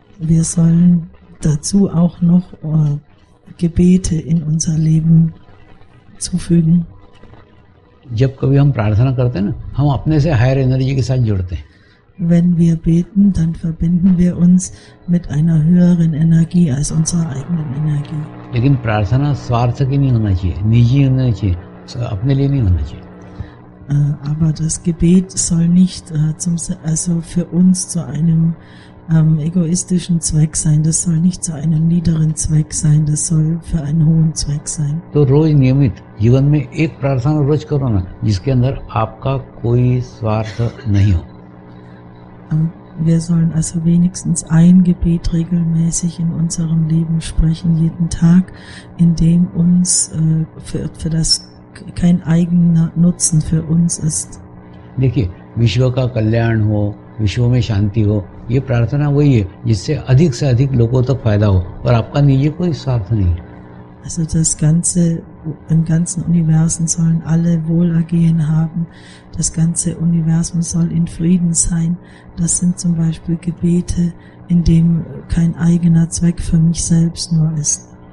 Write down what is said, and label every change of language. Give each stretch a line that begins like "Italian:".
German: Wir sollen dazu auch noch Gebete in unser Leben zufügen.
Hindi: जब कभी हम प्रार्थना करते हैं ना, हम अपने से
English: higher energy
Hindi: के साथ जुड़ते हैं।
German: Wenn wir beten, dann verbinden wir uns mit einer höheren Energie als unserer eigenen Energie.
Hindi: लेकिन प्रार्थना स्वार्थ की नहीं होना चाहिए, निजी होना चाहिए, अपने लिए नहीं होना चाहिए।
German: Aber das Gebet soll nicht zum, also für uns zu einem egoistischen Zweck sein, das soll nicht zu einem niederen Zweck sein, das soll für einen hohen Zweck sein.
Hindi: तो रोज नियमित जीवन में एक प्रार्थना रोज करो ना, जिसके अंदर आपका कोई स्वार्थ नहीं हो।
German: Wir sollen also wenigstens ein Gebet regelmäßig in unserem Leben sprechen, jeden Tag, in dem uns für das kein eigener Nutzen für uns ist.
Hindi: देखिए, विश्व का कल्याण हो, विश्व में शांति हो, ये प्रार्थना वही है जिससे अधिक से अधिक लोगों तक फायदा हो और आपका निजी कोई स्वार्थ नहीं।
German: Also das ganze im ganzen Universum sollen alle Wohlergehen haben. Das ganze Universum soll in Frieden sein. Das sind zum Beispiel Gebete, in dem kein eigener Zweck für mich selbst nur ist.